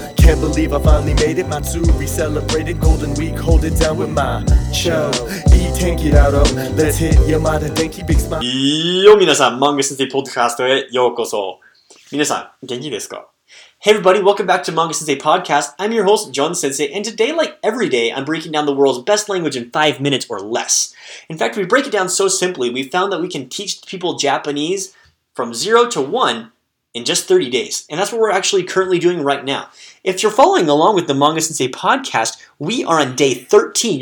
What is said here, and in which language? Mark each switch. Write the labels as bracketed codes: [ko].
[en] Can't believe I finally made it, Matsuri celebrated Golden Week, hold it down with my show. [ja] よ、皆さん、マンガシティポッドキャストへようこそ。 [en] 皆さん、元気ですか? Hey everybody, welcome back to Manga Sensei Podcast. I'm your host, John Sensei, and today, like every day, I'm breaking down the world's best language in 5 minutes or less. In fact, we break it down so simply, we found that we can teach people Japanese from 0 to 1 in just 30 days. And that's what we're actually currently doing right now. If you're following along with the Manga Sensei Podcast, we are on day 13.